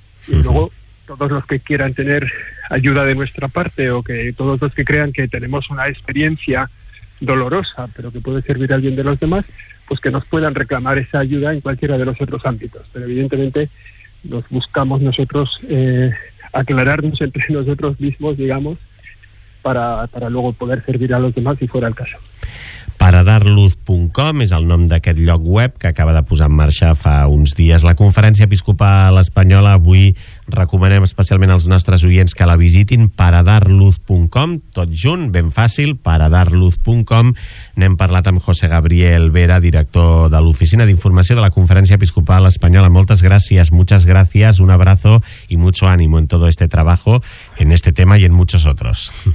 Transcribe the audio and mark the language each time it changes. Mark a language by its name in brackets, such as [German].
[Spanish] Y luego, todos los que quieran tener ayuda de nuestra parte, o que todos los que crean que tenemos una experiencia dolorosa, pero que puede servir a alguien de los demás, pues que nos puedan reclamar esa ayuda en cualquiera de los otros ámbitos. Pero evidentemente nos buscamos nosotros aclararnos entre nosotros mismos, digamos, para luego poder servir a los demás si fuera el caso. [Catalan] paradarluz.com és el nom d'aquest lloc web que acaba de posar en marxa fa uns dies. La Conferència Episcopal Espanyola avui recomanem especialment als nostres oients que la visitin, paradarluz.com, tot junt, ben fàcil, paradarluz.com. N'hem parlat amb José Gabriel Vera, director de l'Oficina d'Informació de la Conferència Episcopal Espanyola. Moltes gràcies, [Spanish] muchas gracias, un abrazo y mucho ánimo en todo este trabajo, en este tema y en muchos otros.